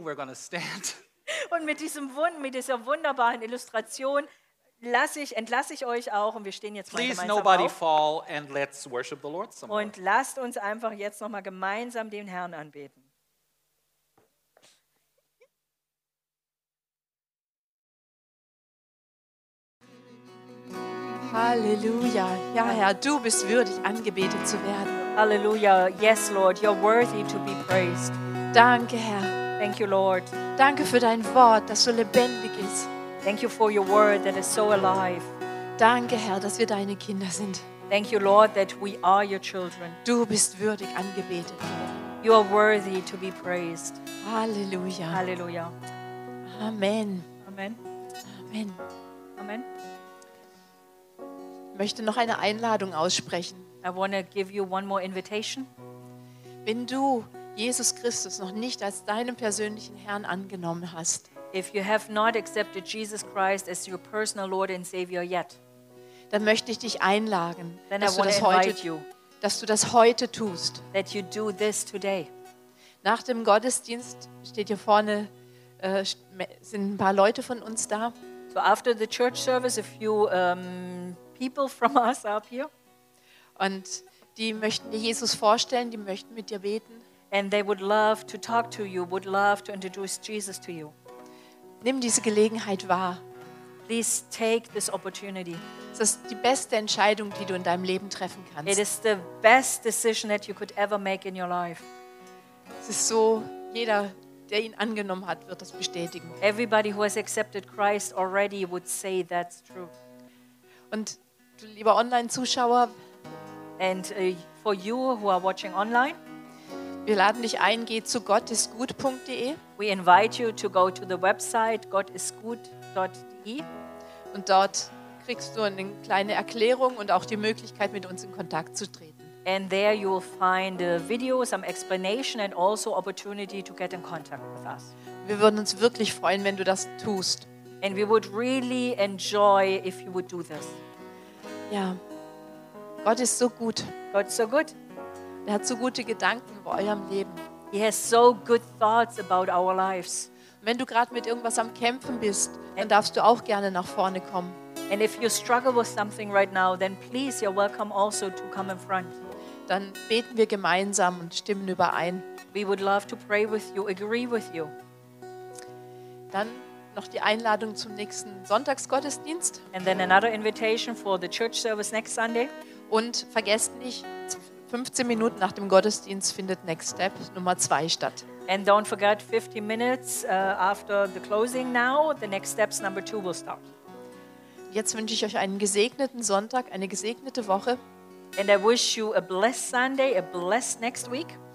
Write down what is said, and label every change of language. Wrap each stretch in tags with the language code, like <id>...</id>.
<en>We're going to stand.</en> <de>Und mit dieser wunderbaren Illustration entlasse ich euch auch und wir stehen jetzt</de> <en>Please</en> <de>gemeinsam</de> <en>nobody</en> <de>auf.</de> <en>Fall and let's worship the Lord some</en> <de>Und</de> <en>more.</en> <de>Lasst uns einfach jetzt noch mal gemeinsam den Herrn anbeten. Halleluja. Ja, Herr, du bist würdig, angebetet zu werden.</de> <en>Halleluja. Yes, Lord, you're worthy to be praised.</en> <de>Danke, Herr.</de> <en>Thank you, Lord.</en> <de>Danke für dein Wort, das so lebendig ist.</de> <en>Thank you for your word that is so alive.</en> <de>Danke, Herr, dass wir deine Kinder sind.</de> <en>Thank you, Lord, that we are your children.</en> <de>Du bist würdig, angebetet.</de> <en>You are worthy to be praised. Halleluja. Halleluja. Amen. Amen. Amen. Amen.</en> <de>Ich möchte noch eine Einladung aussprechen.</de> <en>I want to give you one more invitation.</en> <de>Wenn du Jesus Christus noch nicht als deinen persönlichen Herrn angenommen hast,</de> <en>if you have not accepted Jesus Christ as your personal Lord and Savior yet,</en> <de>dann möchte ich dich einladen, dass du das heute tust.</de> <en>That you do this today.</en> <de>Nach dem Gottesdienst steht hier vorne, sind ein paar Leute von uns da.</de> <en>So after the church service, a few people from us are up here.</en> <de>Und die möchten dir Jesus vorstellen, die möchten mit dir beten.</de> <en>And they would love to talk to you, would love to introduce Jesus to you.</en> <de>Nimm diese Gelegenheit wahr.</de> <en>Please take this opportunity.</en> <de>Es ist die beste Entscheidung, die du in deinem Leben treffen kannst.</de> <en>It is the best decision that you could ever make in your life.</en> <de>Es ist so, jeder, der ihn angenommen hat, wird das bestätigen.</de> <en>Everybody who has accepted Christ already would say that's true.</en> <de>Und du lieber Online-Zuschauer,</de> <en>and for you who are watching online,</en> <de>wir laden dich ein, geh zu gottisgut.de.</de> <en>We invite you to go to the website gottisgut.de.</en> <de>Und dort kriegst du eine kleine Erklärung und auch die Möglichkeit, mit uns in Kontakt zu treten.</de> <en>And there you will find a video, some explanation and also opportunity to get in contact with us.</en> <de>Wir würden uns wirklich freuen, wenn du das tust.</de> <en>And we would really enjoy if you would do this.</en> <de>Ja, Gott ist so gut.</de> <en>God's so good.</en> <de>Er hat so gute Gedanken über eurem Leben.</de> <en>He has so good thoughts about our lives.</en> <de>Wenn du gerade mit irgendwas am Kämpfen bist, dann darfst du auch gerne nach vorne kommen.</de> <en>And if you struggle with something right now, then please, you're welcome also to come in front.</en> <de>Dann beten wir gemeinsam und stimmen überein.</de> <en>We would love to pray with you, agree with you.</en> <de>Dann noch die Einladung zum nächsten Sonntagsgottesdienst.</de> <en>And then another invitation for the church service next Sunday.</en> <de>Und vergesst nicht, 15 Minuten nach dem Gottesdienst findet Next Step Nummer 2 statt.</de> <en>And don't forget, 15 minutes after the closing now, the Next Steps number 2 will start.</en> <de>Jetzt wünsche ich euch einen gesegneten Sonntag, eine gesegnete Woche.</de> <en>And I wish you a blessed Sunday, a blessed next week.</en>